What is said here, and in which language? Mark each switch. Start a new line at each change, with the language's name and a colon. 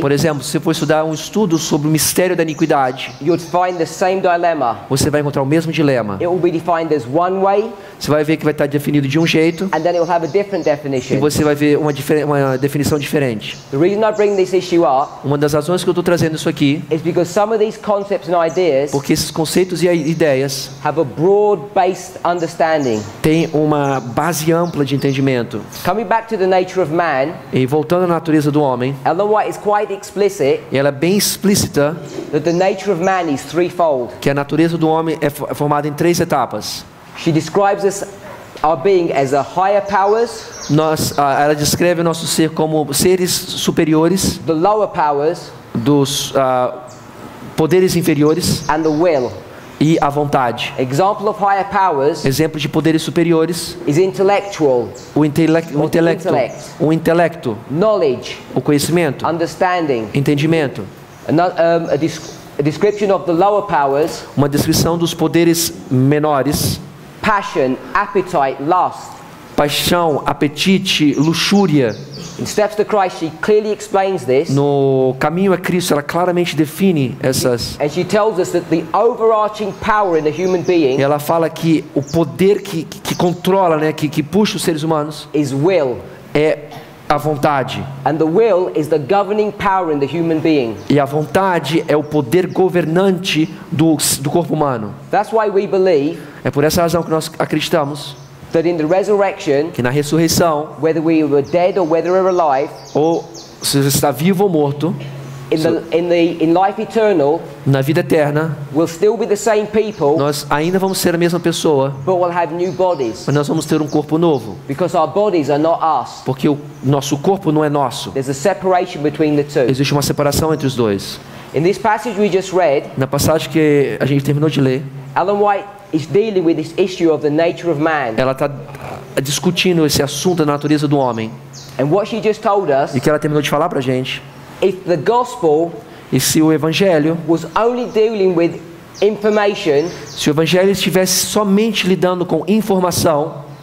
Portuguese: por exemplo, se você for estudar um estudo sobre o mistério da iniquidade,
English: you'll find the same dilemma.
Portuguese: Você vai encontrar o mesmo dilema.
English: It will be defined as one way.
Portuguese: Você vai ver que vai estar definido de um jeito.
English: And then it will have a different definition.
Portuguese: E você vai ver uma definição diferente.
English: The reason I bring this issue up,
Portuguese: uma das razões que eu estou trazendo isso aqui,
English: is because some of these concepts and ideas,
Portuguese: porque esses conceitos e ideias,
English: have a broad-based understanding.
Portuguese: Tem uma base ampla de entendimento.
English: Coming back to the nature of man,
Portuguese: e voltando à natureza do homem,
English: Ellen White is quite explicit,
Portuguese: e ela é bem explícita,
English: that the nature of man is threefold.
Portuguese: Que a natureza do homem é formada em três etapas.
English: She describes us our being as a higher powers.
Portuguese: Nós, ela descreve o nosso ser como seres superiores.
English: The lower powers.
Portuguese: Dos poderes inferiores.
English: And the will.
Portuguese: e a vontade.
English: Example of higher powers.
Portuguese: Exemplo de poderes superiores.
English: Is intellectual.
Portuguese: O intelecto.
English: Knowledge.
Portuguese: O conhecimento.
English: Understanding.
Portuguese: Entendimento.
English: A description of the lower powers.
Portuguese: Uma descrição dos poderes menores.
English: Passion, appetite, lust.
Portuguese: Paixão, apetite, luxúria.
English: In Steps to Christ, she clearly explains this.
Portuguese: No caminho a Cristo, ela claramente define essas.
English: And she tells us that the overarching power in the human being.
Portuguese: Ela fala que o poder que controla, né, que puxa os seres humanos,
English: is will.
Portuguese: É a vontade.
English: And the will is the governing power in the human being.
Portuguese: E a vontade é o poder governante do corpo humano.
English: That's why we believe.
Portuguese: É por essa razão que nós acreditamos.
English: That in the resurrection,
Portuguese: que na ressurreição,
English: whether we were dead or whether we were alive,
Portuguese: ou se você está vivo ou morto,
English: in life eternal,
Portuguese: na vida eterna,
English: we'll still be the same people,
Portuguese: nós ainda vamos ser a mesma pessoa,
English: but we'll have new bodies,
Portuguese: mas nós vamos ter um corpo novo,
English: because our bodies are not us,
Portuguese: porque o nosso corpo não é nosso.
English: There's a separation between the two.
Portuguese: Existe uma separação entre os dois.
English: In this passage we just read,
Portuguese: na passagem que a gente terminou de ler,
English: Ellen White is dealing with this issue of the nature of man.
Portuguese: Ela está discutindo esse assunto da natureza do homem.
English: And what she just told us,
Portuguese: e que ela terminou de falar para a gente.
English: If the gospel,
Portuguese: e se o evangelho,
English: was only dealing with information,
Portuguese: se o evangelho estivesse somente lidando com informação,